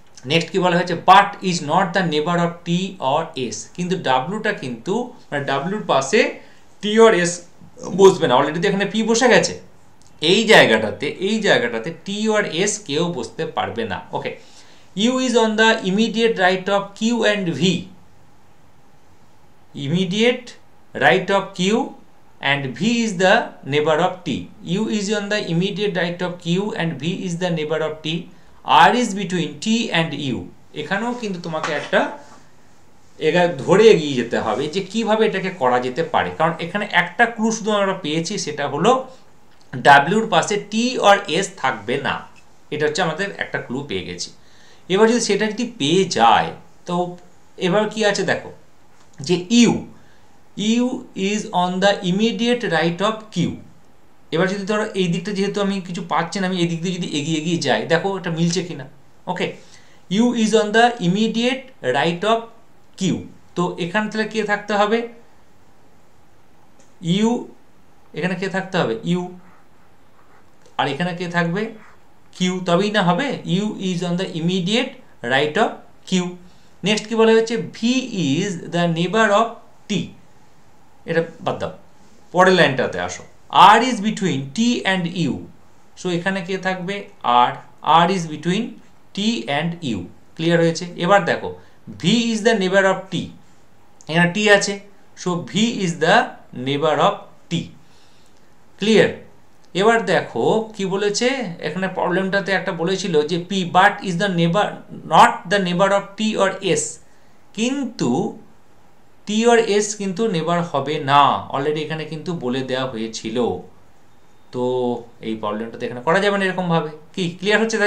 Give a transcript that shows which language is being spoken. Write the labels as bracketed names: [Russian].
[Bangla] Next কি বলা হয়েছে, [English] but is not the neighbour of T or S, [Bangla] কিন্তু ডাব্লুটা কিন্তু মানে ডাব্লুর পাশে টি অর এস বসবে না, অলরেডি তো এখানে পি বসে গেছে, এই জায়গাটাতে, এই জায়গাটাতে টি অর এস কেউ বসতে পারবে না, ওকে। [English] U is on the immediate right of Q and V, immediate right of q and v is the neighbor of t. U is on the immediate right of q and v is the neighbor of t. R is between t and u. [Bangla] এখানেও কিন্তু তোমাকে একটা এগা ধরে এগিয়ে যেতে হবে যে কিভাবে এটাকে করা যেতে পারে, কারণ এখানে একটা ক্লু শুধু আমরা পেয়েছি, সেটা হলো w এর পাশে t আর s থাকবে না। এটা হচ্ছে আমাদের একটা ক্লু পেয়ে গেছি। এবার যদি সেটা যদি পেয়ে যায় তো এবার কি আছে দেখো, যে [English] u u is on the immediate right of q। [Bangla] এবার যদি ধরো এই দিকটা যেহেতু আমি কিছু পাচ্ছি না, আমি এই দিক দিয়ে যদি এগিয়ে এগিয়ে যাই, দেখো এটা মিলছে কিনা। ওকে, [English] u is on the immediate right of q, [Bangla] তো এখানে তাহলে কে থাকতে হবে, u এখানে কে থাকতে হবে, u, আর এখানে কে থাকবে, q, তবেই না হবে, u is on the immediate right of q। Next কি বলা হয়েছে, [English] v is the neighbor of t, [Bangla] এটা বাদ দাও, পরের লাইনটাতে আসো, [English] r is between t and u, [Bangla] so এখানে কে থাকবে, r, r is between t and u, clear হয়েছে। এবার দেখো [English] v is the neighbor of t, [Bangla] এখানে t আছে, so v is the neighbor of t, clear. এবার দেখো কি বলেছে, এখানে প্রবলেমটাতে একটা বলেছিল যে [English] p but is the neighbor not the neighbor of t or s, [Bangla] কিন্তু t or s কিন্তু নেবার হবে না, অলরেডি এখানে কিন্তু বলে দেওয়া হয়েছিল, তো এই প্রবলেমটা এখানে করা যাবে না এরকম ভাবে, কি ক্লিয়ার হচ্ছে?